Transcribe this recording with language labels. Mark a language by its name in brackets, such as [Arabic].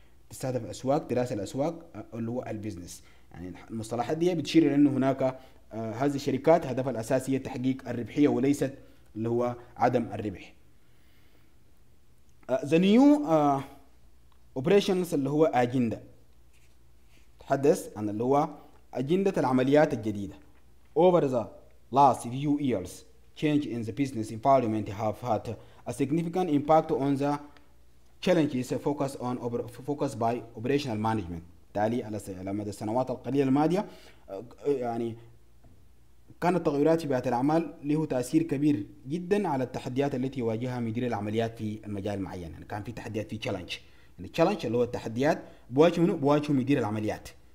[Arabic] تستهدف الاسواق، دراسه الاسواق اللي هو البيزنس، يعني المصطلحات دي بتشير لانه هناك هذه الشركات هدفها الاساسي هي تحقيق الربحيه وليست اللي هو عدم الربح. [English] The new operations [Arabic] اللي هو اجنده تحدث عن اللي هو اجنده العمليات الجديده. [English] Over the last few years, change in the business environment have had a significant impact on the challenges focused by operational management. [Arabic] تالي على مدى السنوات القليله الماضيه يعني كانت التغيرات في بيئة العمل له تأثير كبير جدا على التحديات التي يواجهها مدير العمليات في المجال المعين، يعني كان في تحديات في تشالنج، يعني تشالنج اللي هو التحديات بواجه منه؟ بواجه مدير العمليات.